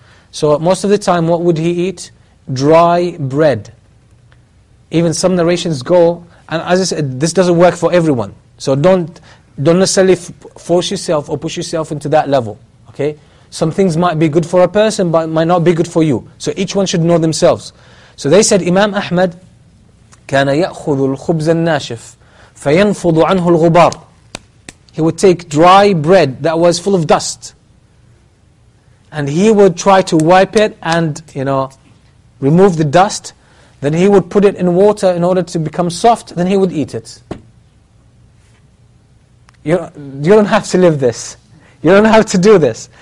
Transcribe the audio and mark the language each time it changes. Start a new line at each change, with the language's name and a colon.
English: So most of the time, what would he eat? Dry bread. Even some narrations go, and as I said, this doesn't work for everyone. So don't necessarily force yourself or push yourself into that level. Okay? Some things might be good for a person, but might not be good for you. So each one should know themselves. So they said,
Arabic: Imam Ahmad, كان يأخذ الخبز الناشف فينفض عنه الغبار.
English: He would take dry bread that was full of dust, and he would try to wipe it and, you know, remove the dust. Then he would put it in water in order to become soft. Then he would eat it. You don't have to live this. You don't have to do this.